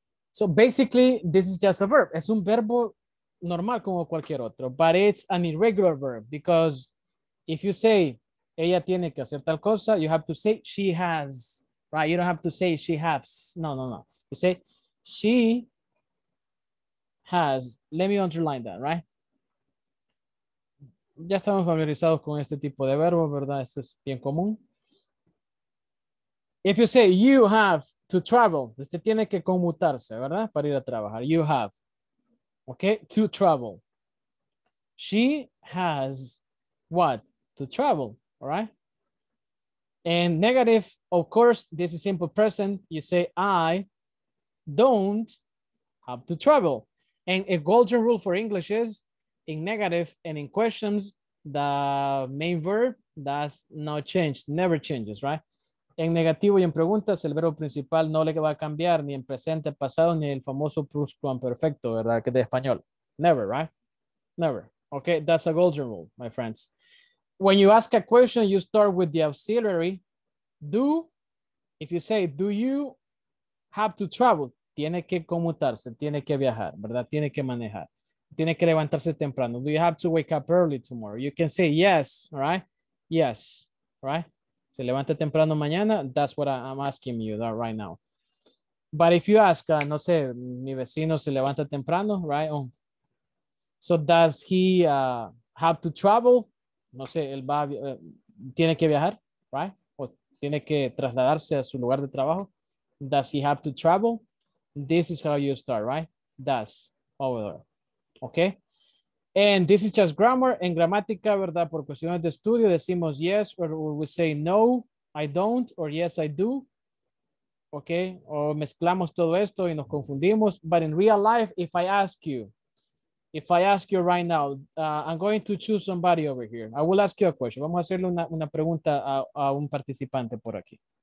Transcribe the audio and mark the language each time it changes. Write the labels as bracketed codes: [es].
[en] So basically, this is just a verb. [es] Es un verbo normal como cualquier otro, [en] but it's an irregular verb because if you say, [es] ella tiene que hacer tal cosa, [en] you have to say she has, right? You don't have to say she has, no. You say she has, let me underline that, right? [es] Ya estamos familiarizados con este tipo de verbo, ¿verdad? Esto es bien común. [en] If you say you have to travel, [es] usted tiene que conmutarse, ¿verdad? Para ir a trabajar. [en] You have, okay, to travel. She has what? To travel, all right? And negative, of course, this is simple present. You say I don't have to travel. And a golden rule for English is in negative and in questions, the main verb does not change, never changes, right? [es] En negativo y en preguntas, el verbo principal no le va a cambiar ni en presente, pasado, ni el famoso pluscuamperfecto, ¿verdad? Que de español. [en] Never, right? Never. Okay, that's a golden rule, my friends. When you ask a question, you start with the auxiliary. Do, if you say, do you have to travel? [es] Tiene que conmutarse, tiene que viajar, ¿verdad? Tiene que manejar. Tiene que levantarse temprano. [en] Do you have to wake up early tomorrow? You can say yes, all right? Yes, all right? [es] Se levanta temprano mañana, [en] that's what I'm asking you that right now. But if you ask, [es] no sé, mi vecino se levanta temprano, right? Oh. [en] So does he have to travel? [es] No sé, él va, tiene que viajar, right? O tiene que trasladarse a su lugar de trabajo. [en] Does he have to travel? This is how you start, right? Does, over there, okay? And this is just grammar. [es] En gramática, ¿verdad? Por cuestiones de estudio, decimos [en] yes, or we say no, I don't, or yes, I do. [es] Ok, o mezclamos todo esto y nos confundimos. [en] But in real life, if I ask you right now, I'm going to choose somebody over here. I will ask you a question. [es] Vamos a hacerle una pregunta a un participante por aquí.